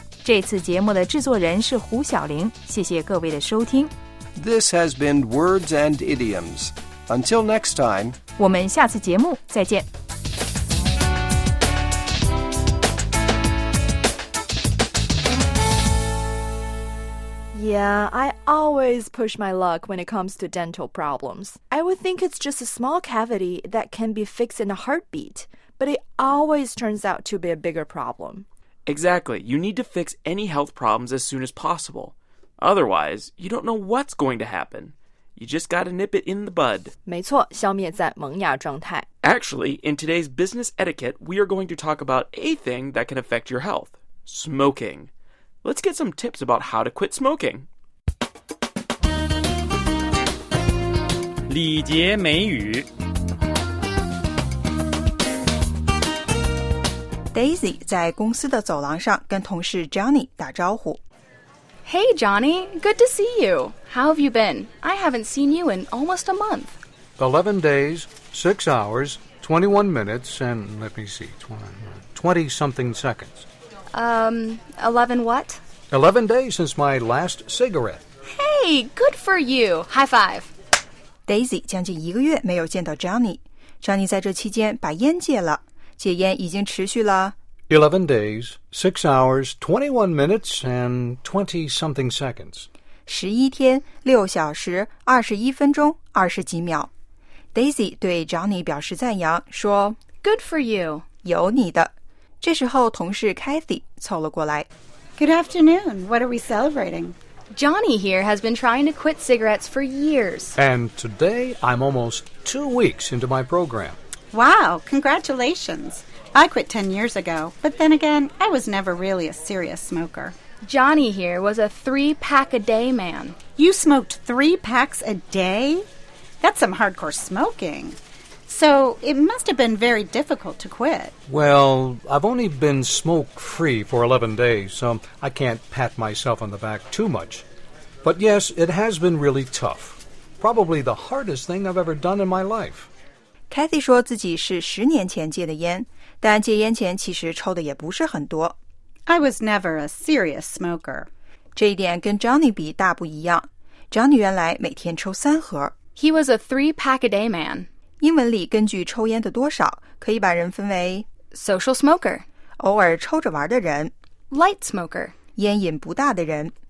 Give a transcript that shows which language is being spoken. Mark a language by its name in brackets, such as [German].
[Chinese] 这次节目的制作人是胡晓玲。谢谢各位的收听。 [English] This has been Words and Idioms. Until next time， [Chinese] 我们下次节目再见。 [English] Yeah, I always push my luck when it comes to dental problems. I would think it's just a small cavity that can be fixed in a heartbeat, but it always turns out to be a bigger problem. Exactly. You need to fix any health problems as soon as possible. Otherwise, you don't know what's going to happen. You just gotta nip it in the bud. [Chinese] 没错，消灭在萌芽状态。 [English] Actually, in today's business etiquette, we are going to talk about a thing that can affect your health. Smoking. Let's get some tips about how to quit smoking. [Chinese] 礼节美语。 Daisy 在公司的走廊上跟同事 Johnny 打招呼。 [English] Hey Johnny, good to see you. How have you been? I haven't seen you in almost a month. 11 days, 6 hours, 21 minutes, and let me see, 20-something seconds. 11 what? 11 days since my last cigarette. Hey, good for you. High five. [Chinese] Daisy 将近一个月没有见到 Johnny. Johnny 在这期间把烟戒了。戒烟已经持续了 [English] 11 days, 6 hours, 21 minutes, and 20-something seconds. [Chinese] 11天, 6小时, 21分钟, 20几秒。 Daisy 对 Johnny 表示赞扬, 说 [English] Good for you. [Chinese] 有你的。这时候同事 Kathy 凑了过来。 [English] Good afternoon. What are we celebrating? Johnny here has been trying to quit cigarettes for years. And today, I'm almost 2 weeks into my program. Wow, congratulations. I quit 10 years ago, but then again, I was never really a serious smoker. Johnny here was a 3-pack-a-day man. You smoked 3 packs a day? That's some hardcore smoking. So, it must have been very difficult to quit. Well, I've only been smoke-free for 11 days, so I can't pat myself on the back too much. But yes, it has been really tough. Probably the hardest thing I've ever done in my life. [Chinese] Kathy 说自己是十年前戒的烟，但戒烟前其实抽的也不是很多。 [English] I was never a serious smoker. [Chinese] 这一点跟 Johnny 比大不一样。Johnny 原来每天抽三盒。 [English] He was a 3-pack-a-day man. [Chinese] 英文里根据抽烟的多少可以把人分为 [English] social smoker， [Chinese] 偶尔抽着玩的人 [English] light smoker， [Chinese] 烟瘾不大的人